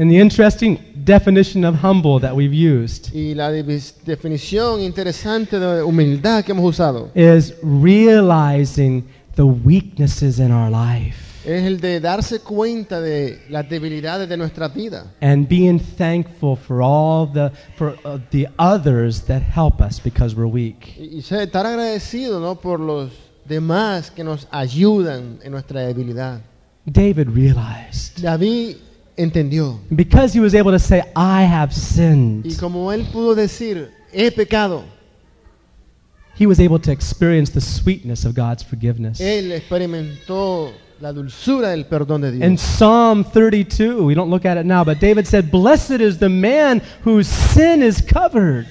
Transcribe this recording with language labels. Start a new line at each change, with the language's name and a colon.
English: And the interesting definition of humble that we've used,
Spanish: y la definición interesante de humildad que hemos usado,
English: is realizing the weaknesses in our life.
Spanish: Es el de darse cuenta de las debilidades de nuestra vida.
English: And being thankful for all the the others that help us because we're weak.
Spanish: Y estar agradecido, ¿no?, por los demás que nos ayudan en nuestra debilidad.
English: David realized.
Spanish: David entendió.
English: Because he was able to say, I have sinned.
Spanish: Y como él pudo decir, he pecado.
English: He was able to experience the sweetness of God's forgiveness.
Spanish: Él experimentó la dulzura del perdón de Dios.
English: In Psalm 32, we don't look at it now, but David said, blessed is the man whose sin is covered.